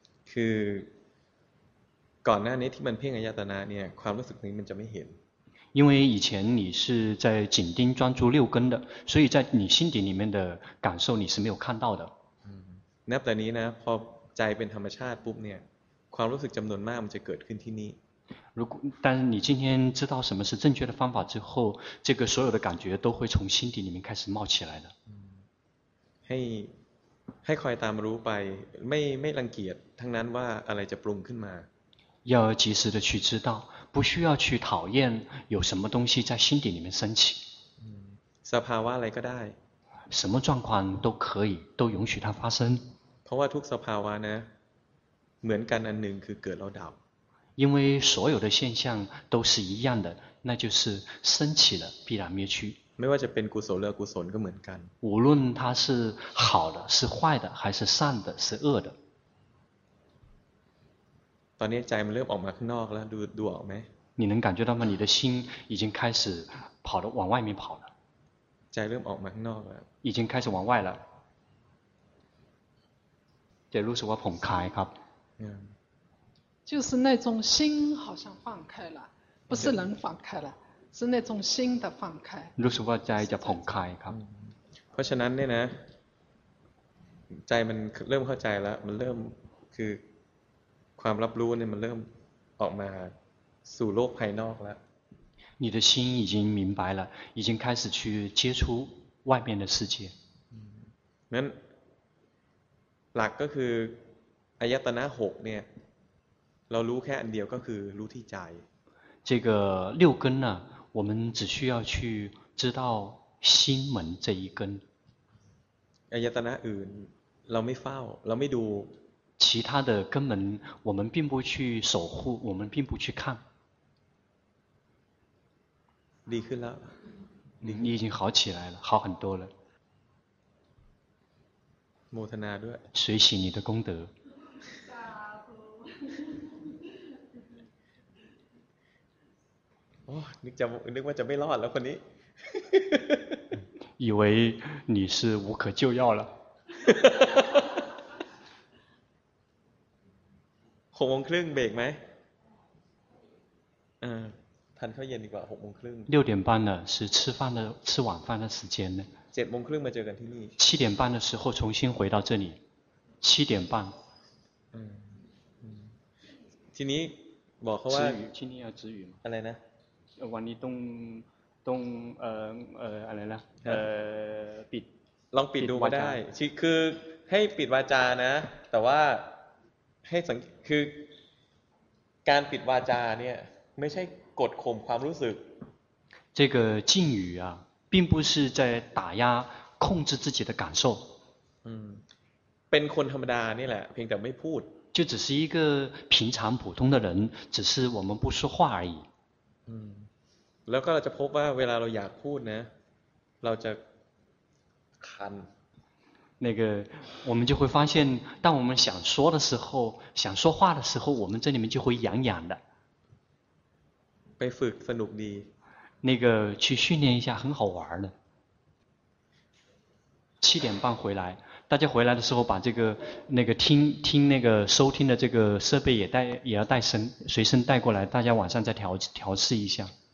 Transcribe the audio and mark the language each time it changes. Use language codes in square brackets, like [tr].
[th] คือก่อนหน้านี้ที่มันเพ่งอายตนะเนี่ยความรู้สึกนี้มันจะไม่เห็น [zh] 因为以前你是在紧盯专注六根的所以在你心底里面的感受你是没有看到的 [th] นับแต่นี้นะพอใจเป็นธรรมชาติปุ๊บเนี่ยความรู้สึกจำนวนมากมันจะเกิดขึ้นที่นี่ [zh] 如果但是你今天知道什么是正确的方法之后这个所有的感觉都会从心底里面开始冒起来的 [th] ให้คอยตามรู้ไปไม่รังเกียจทั้งนั้นว่าอะไรจะปรุงขึ้นมา [zh] 要及时的去知道不需要去讨厌有什么东西在心底里面升起 [th] สภาวะอะไรก็ได้ [zh] 什么状况都可以都允许它发生 [th] เพราะว่าทุกสภาวะนะเหมือนกันอันหนึ่งคือเกิดแล้วดับ [zh] 因为所有的现象都是一样的那就是升起了必然灭去 [th] ไม่ว่าจะเป็นกุศลหรืออกุศลก็เหมือนกัน [zh] 无论它是好的是坏的还是善的是恶的 [th] ตอนนี้ใจมันเริ่มออกมาข้างนอกแล้วดูออกไหม [zh] 你能感觉到吗你的心已经开始跑了往外面跑了 [th] ใจเริ่มออกมาข้างนอกแล้ว [zh] 已经开始往外了 [th] จะรู้สึกว่าผ่อนคลายครับ [zh] 就是那种心好像放开了不是能放开了是那种心的放开 [th] รู้สึกว่าใจจะผ่อนคลายครับ เพราะฉะนั้นเนี่ยนะใจมันเริ่มเข้าใจแล้วมันเริ่มคือความรับรู้เนี่ยมันเริ่มออกมาสู่โลกภายนอกแล้ว [zh] 你的心已经明白了已经开始去接触外面的世界 [th] นั้นหลักก็คืออายตนะ6เนี่ยเรารู้แค่อันเดียวก็คือรู้ที่ใจ [zh] 这个六根呢我们只需要去知道心门这一根 [th] อายตนะอื่นเราไม่เฝ้าเราไม่ดู [zh] 其他的根本我们并不去守护我们并不去看你去了你已经好起来了好很多了摩托纳对随喜你的功德哦你讲我那我讲没老了和你以为你是无可救药了 [th] 6โมงครึ่งเบรกไหมทันเข้าเย็นดีกว่า6โมงครึ่ง [zh] 6点半了是吃饭的吃晚饭的时间呢 [th] 7โมงครึ่งมาเจอกันที่นี่ [zh] 7点半的时候重新回到这里7点半 [th] ทีนี้บอกเขาว่า ที่นี่เอาจื้อหยุ่น อะไรนะ วันนี้ต้องอะไรนะปิด ลองปิดดูก็ได้คือให้ปิดวาจานะแต่ว่าให้สังคือการปิดวาจาเนี่ยไม่ใช่กดข่มความรู้สึก [zh] 这个禁语啊并不是在打压控制自己的感受 [th] เป็นคนธรรมดานี่แหละเพียงแต่ไม่พูด [zh] 就只是一个平常普通的人只是我们不说话而已 [th] แล้วก็เราจะพบว่าเวลาเราอยากพูดนะเราจะคัน [zh] 那个我们就会发现当我们想说的时候想说话的时候我们这里面就会痒痒的 [th] ไปฝึกสนุกดี [zh] 那个去训练一下很好玩的七点半回来大家回来的时候把这个那个听那个收听的这个设备也要带身随身带过来大家晚上再调试一下